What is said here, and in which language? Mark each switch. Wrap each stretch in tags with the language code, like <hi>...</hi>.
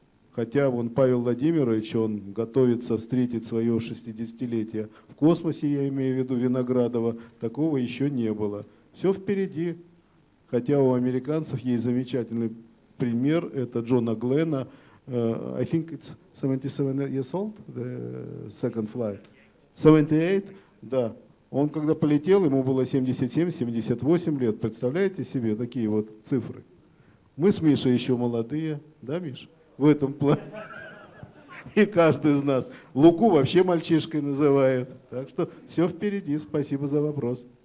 <ru>Хотя вон Павел Владимирович, он готовится встретить свое 60-летие в космосе, я имею в виду Виноградова, такого еще не было. Все впереди. Хотя у американцев есть замечательный пример, это Джона Гленна.</ru> <en>I think it's 77 years old, the second flight.</en> <ru>78? Да. Он когда полетел, ему было 77-78 лет. Представляете себе такие вот цифры? Мы с Мишей еще молодые, да, Миш? В этом плане. И каждый из нас. Луку вообще мальчишкой называют. Так что все впереди. Спасибо за вопрос.</ru>